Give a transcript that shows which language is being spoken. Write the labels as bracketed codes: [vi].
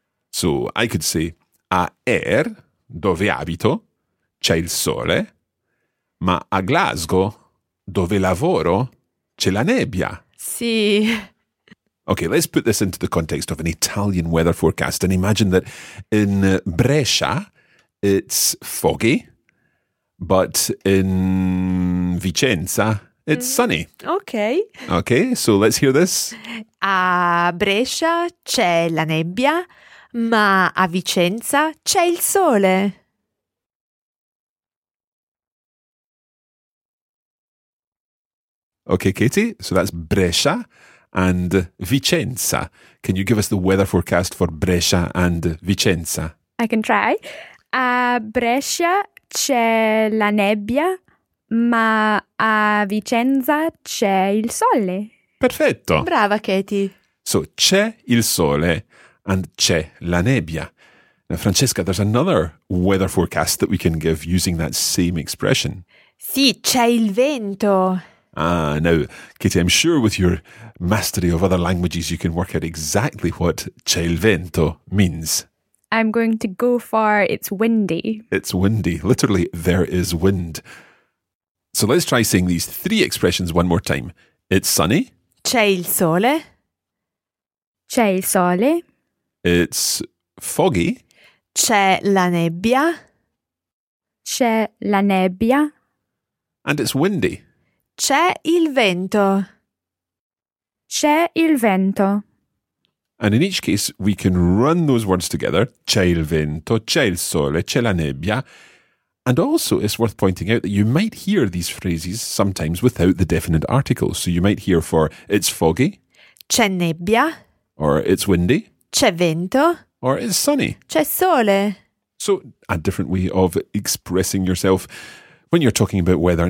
[en] So I could say, [it] a Ayr, dove abito, c'è il sole, ma a Glasgow, dove lavoro, c'è la nebbia. Sì. [en] Okay, let's put this into the context of an Italian weather forecast and imagine that in Brescia, it's foggy, but in Vicenza, it's sunny. Okay. Okay, so let's hear this. [it] A Brescia c'è la nebbia, ma a Vicenza c'è il sole. [en] Okay, Katie, so that's Brescia and Vicenza. Can you give us the weather forecast for Brescia and Vicenza? I can try. [it] A Brescia c'è la nebbia, ma a Vicenza c'è il sole. Perfetto. Brava, Katie. So, c'è il sole and c'è la nebbia. [en] Now, Francesca, there's another weather forecast that we can give using that same expression. [it] Sì, c'è il vento. [en] Ah, now, Katie, I'm sure with your mastery of other languages, you can work out exactly what [it] c'è il vento [en] means. I'm going to go for it's windy. It's windy. Literally, there is wind. So let's try saying these three expressions one more time. It's sunny. [it] C'è il sole. C'è il sole. [en] It's foggy. [it] C'è la nebbia. C'è la nebbia. [en] And it's windy. [it] C'è il vento. C'è il vento. [en] And in each case, we can run those words together. [it] C'è il vento, c'è il sole, c'è la nebbia. [en] And also, it's worth pointing out that you might hear these phrases sometimes without the definite article. So you might hear for it's foggy. [it] C'è nebbia. [en] Or it's windy. [it] C'è vento. [en] Or it's sunny. [it] C'è sole. [en] So a different way of expressing yourself when you're talking about weather.